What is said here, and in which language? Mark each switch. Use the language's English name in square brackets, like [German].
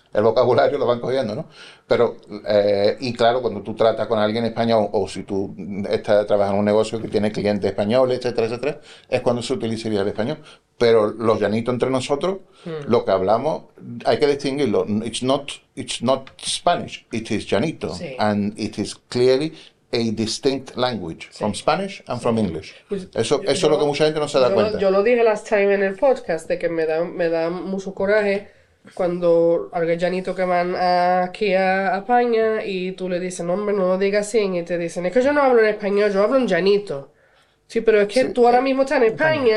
[Spanish] El vocabulario lo van cogiendo, ¿no? Pero, y claro, cuando tú tratas con alguien español, o si tú estás trabajando en un negocio que tiene clientes españoles, etcétera, etcétera, es cuando se utilizaría el español. Pero los llanitos entre nosotros, lo que hablamos, hay que distinguirlo. [English] It's not Spanish, it is llanito. [Spanish] Sí. [English] And it is clearly a distinct language from Spanish and from English. [Spanish] Eso es lo que mucha gente no se da cuenta. Yo lo dije [English] last time [Spanish] en el podcast, de que me da mucho coraje cuando algún llanito que van aquí a España y tú le dices, no, hombre, no lo digas así, y te dicen, es que yo no hablo en español, yo hablo en llanito. Sí, pero es que tú ahora mismo estás en España,